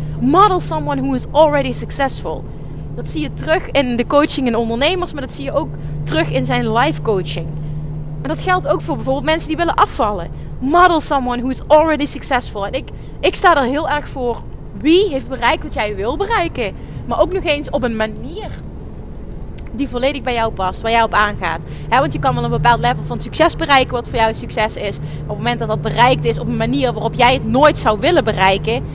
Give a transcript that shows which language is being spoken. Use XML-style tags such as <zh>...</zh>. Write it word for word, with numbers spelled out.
<en>Model someone who is already successful.</en> <nl>Dat zie je terug in de coaching en ondernemers. Maar dat zie je ook terug in zijn life coaching. En dat geldt ook voor bijvoorbeeld mensen die willen afvallen.</nl> <en>Model someone who is already successful.</en> <nl>En ik, ik sta er heel erg voor. Wie heeft bereikt wat jij wil bereiken? Maar ook nog eens op een manier die volledig bij jou past. Waar jij op aangaat. He, want je kan wel een bepaald level van succes bereiken. Wat voor jou succes is. Maar op het moment dat dat bereikt is. Op een manier waarop jij het nooit zou willen bereiken.</nl>